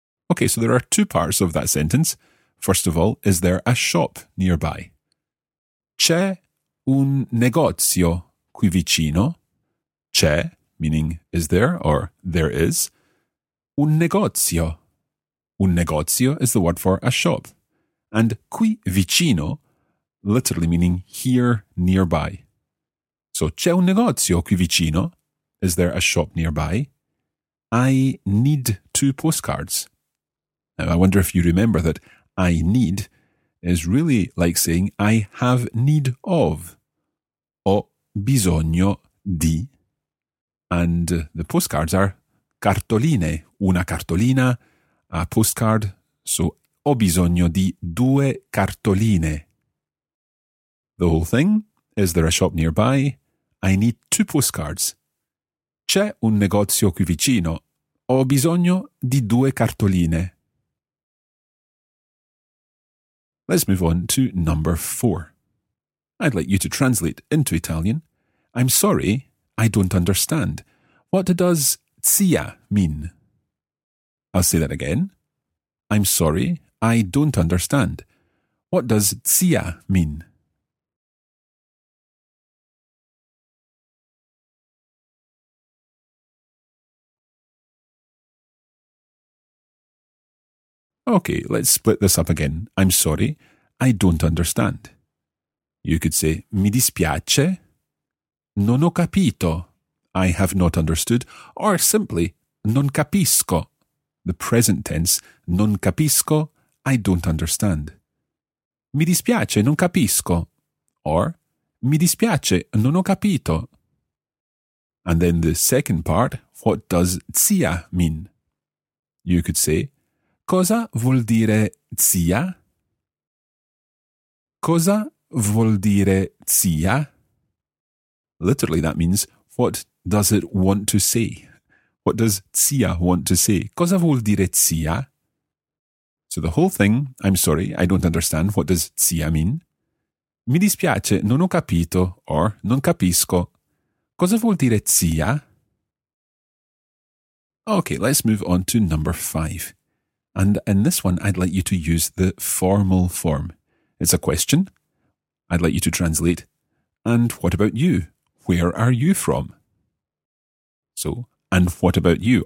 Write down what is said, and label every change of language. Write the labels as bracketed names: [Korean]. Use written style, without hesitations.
[English] Okay, so there are two parts of that sentence. First of all, is there a shop nearby? [Italian] C'è un negozio qui vicino. C'è, [English] meaning is there or there is. [Italian] Un negozio. Un negozio [English] is the word for a shop. And [Italian] qui vicino, [English] literally meaning here, nearby. [Italian] So c'è un negozio qui vicino. [English] Is there a shop nearby? I need two postcards. Now, I wonder if you remember that I need is really like saying I have need of. [Italian] Ho bisogno di. [English] And the postcards are cartoline. [Italian] Una cartolina, [English] a postcard. [Italian] So, ho bisogno di due cartoline. [English] The whole thing. Is there a shop nearby? I need two postcards. [Italian] C'è un negozio qui vicino. Ho bisogno di due cartoline. [English] Let's move on to number four. I'd like you to translate into Italian. I'm sorry, I don't understand. What does zia mean? I'll say that again. I'm sorry, I don't understand. What does zia mean? Okay, let's split this up again. I'm sorry, I don't understand. You could say, [Italian] mi dispiace, non ho capito, [English] I have not understood, or simply, [Italian] non capisco, [English] the present tense, non capisco, I don't understand. [Italian] Mi dispiace, non capisco, or mi dispiace, non ho capito. [English] And then the second part, what does zia mean? You could say, [Italian] cosa vuol dire zia? Cosa vuol dire zia? [English] Literally, that means, what does it want to say? What does zia want to say? [Italian] Cosa vuol dire zia? [English] So the whole thing, I'm sorry, I don't understand, what does zia mean? [Italian] Mi dispiace, non ho capito, or non capisco. Cosa vuol dire zia? [English] Okay, let's move on to number five. And in this one, I'd like you to use the formal form. It's a question. I'd like you to translate. And what about you? Where are you from? So, and what about you?